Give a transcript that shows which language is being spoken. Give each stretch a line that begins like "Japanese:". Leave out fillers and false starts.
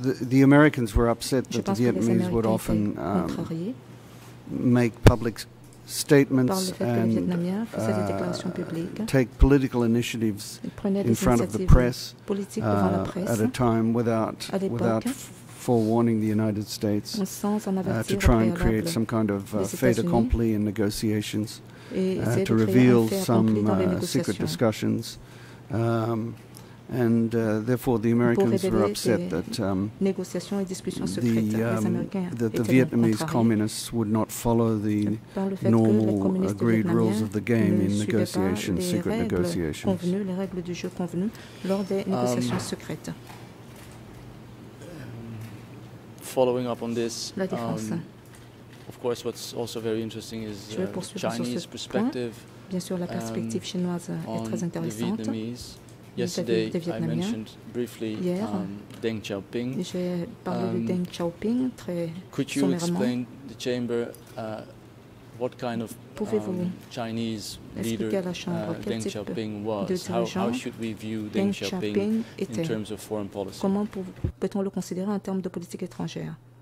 English: The Americans were upset that the Vietnamese would often make public statements and take political initiatives in front of the press at a time without forewarning the United States to try and create some kind of fait accompli in negotiations, to reveal some secret discussions. And therefore, the Americans were upset that the Vietnamese communists would not follow the normal agreed rules of the game in negotiations, secret negotiations.
French: Les règles du jeu convenues lors des négociations secrètes.
English: Following up on this, of course, what's also very interesting is the Chinese perspective.
French: Bien sûr, la perspective chinoise est très intéressante.
English: Yesterday, I mentioned briefly Deng Xiaoping.
French: J'ai parlé de Deng Xiaoping très
English: could you explain the chamber what kind of Chinese leader Deng Xiaoping was? How should we view Deng Xiaoping in terms of foreign policy?
French: Comment peut-on le considérer en termes de politique étrangère?